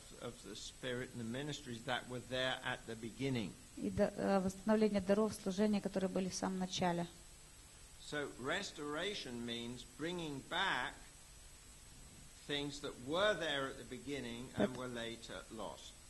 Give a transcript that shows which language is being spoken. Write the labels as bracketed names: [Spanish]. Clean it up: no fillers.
[English] Of the Spirit and the ministries that were there at the beginning. [Russian] И восстановление даров служения, которые были в самом начале. [English] So restoration means bringing back things that were there at the beginning and were later lost.